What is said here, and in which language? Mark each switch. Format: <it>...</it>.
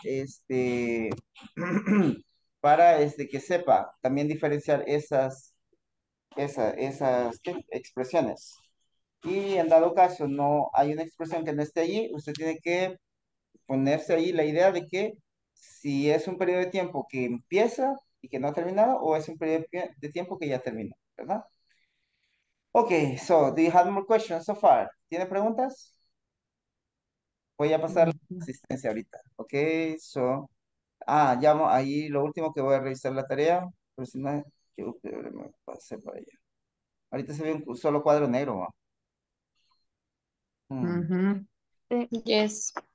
<es>Este, para este, que sepa también diferenciar esas, esas ¿qué? Expresiones. Y en dado caso, no hay una expresión que no esté allí, usted tiene que ponerse ahí la idea de que si es un periodo de tiempo que empieza y que no ha terminado, o es un periodo de tiempo que ya terminó, ¿verdad?</es> <en>Ok, so, do you have more questions so far?</en> <es>¿Tiene preguntas? Voy a pasar la asistencia ahorita. Ok, so, llamo ahí lo último que voy a revisar la tarea, pero si no, yo creo que me pasé por allá. Ahorita se ve un solo cuadro negro, ¿no?</es> <en>Yes.</en>